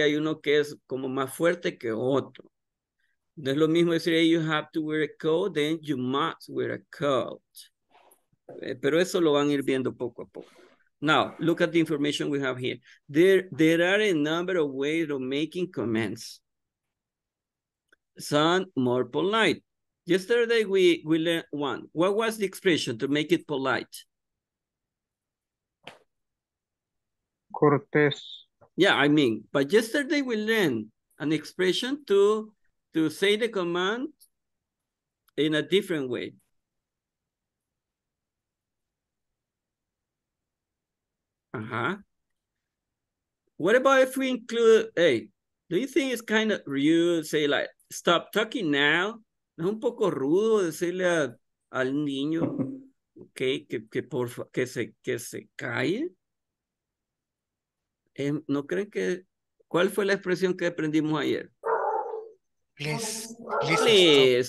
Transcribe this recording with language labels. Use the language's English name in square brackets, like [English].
[Spanish] Hay uno que es como más fuerte que otro. No es lo mismo decir, [English] hey, you have to wear a coat, then you must wear a coat. [Spanish] Pero eso lo van a ir viendo poco a poco. [English] Now, look at the information we have here. There are a number of ways of making comments. Some more polite. Yesterday, we learned one. What was the expression to make it polite? [Spanish] Cortés. [English] Yeah, I mean, but yesterday we learned an expression to say the command in a different way. Uh-huh. What about if we include, hey, do you think it's kind of rude, say like, stop talking now? [Spanish] Es un poco rudo decirle al niño, okay, que por favor, que se calle. ¿No creen que, cuál fue la expresión que aprendimos ayer? [English] Please